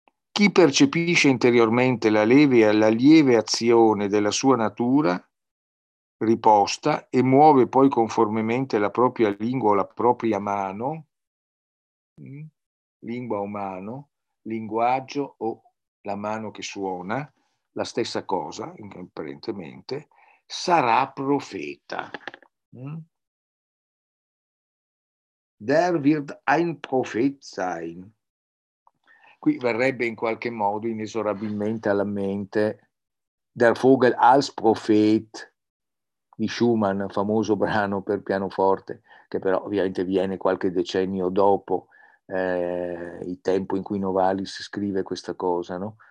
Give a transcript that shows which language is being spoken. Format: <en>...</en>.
<it>Chi percepisce interiormente la leve e la lieve azione della sua natura riposta e muove poi conformemente la propria lingua o la propria mano, lingua o mano, linguaggio o la mano che suona, la stessa cosa, apparentemente, sarà profeta.</it> <de>Der wird ein Prophet sein.</de> <it>Qui verrebbe in qualche modo inesorabilmente alla mente Der Vogel als Prophet di Schumann, famoso brano per pianoforte, che però ovviamente viene qualche decennio dopo il tempo in cui Novalis scrive questa cosa, no?</it>